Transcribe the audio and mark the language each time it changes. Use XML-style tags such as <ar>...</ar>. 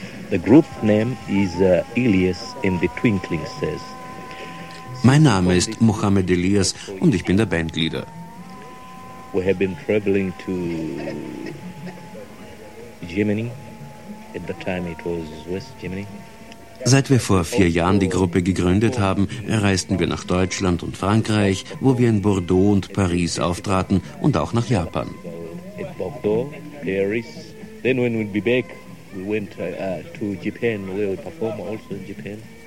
<en>The group name is Elias in the Twinkling says.</en> <de>Mein Name ist Mohammed Elias und ich bin der Bandleader.</de> <en>We have been traveling to Germany. At the time it was West Germany.</en> <de>Seit wir vor 4 Jahren die Gruppe gegründet haben, reisten wir nach Deutschland und Frankreich, wo wir in Bordeaux und Paris auftraten und auch nach Japan.</de> <en>At Bordeaux, Paris. Then when we'd be back, we went to Japan, where we perform also in Japan.</en>